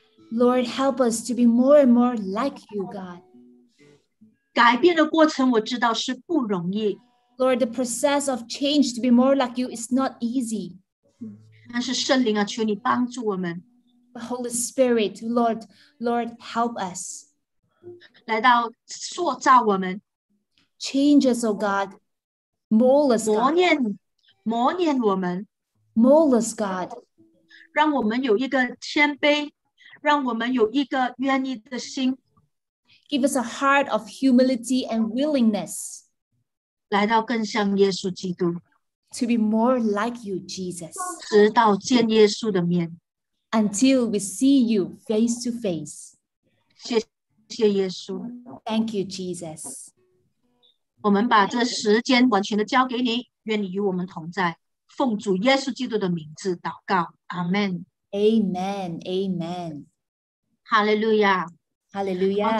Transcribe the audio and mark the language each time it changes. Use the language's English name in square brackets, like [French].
[English] Lord, help us to be more and more like you, God. [Chinese] 改变的过程我知道是不容易, [English] Lord, the process of change to be more like you is not easy. [Chinese] 但是圣灵啊,求你帮助我们, [English] but Holy Spirit, Lord, help us. [Chinese] 来到塑造我们, [English] change us, O God. Mold us, God. [Chinese] 磨练我们, [English] mold us, God. [Chinese] 让我们有一个谦卑, 让我们有一个愿意的心, [English] give us a heart of humility and willingness [Chinese] 来到更像耶稣基督, [English] to be more like you, Jesus, [Chinese] 直到见耶稣的面, [English] until we see you face to face. [Chinese] 谢谢耶稣, [English] thank you, Jesus. [Chinese] 我们把这时间完全地交给你, 愿你与我们同在，奉主耶稣基督的名字祷告， Amen [English] Amen Amen Hallelujah Hallelujah。